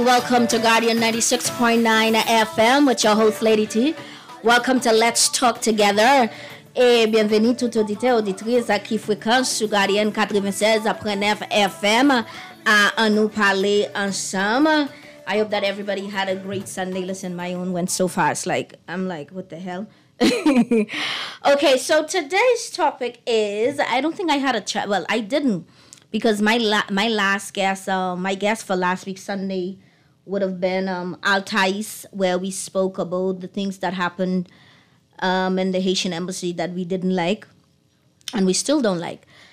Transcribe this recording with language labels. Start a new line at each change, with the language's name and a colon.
English: Welcome to Guardian 96.9 FM with your host, Lady T. Welcome to Let's Talk Together.
French: Et bienvenue tout auditeur, auditrice qui fréquente sur Guardian 96.9 FM. À nous parler ensemble.
English: I hope that everybody had a great Sunday. Listen, my own went so fast. I'm like, what the hell? Okay, so today's topic is, I don't think I had a chat. Well, I didn't. Because my guest for last week Sunday would have been Altais, where we spoke about the things that happened in the Haitian embassy that we didn't like and we still don't like.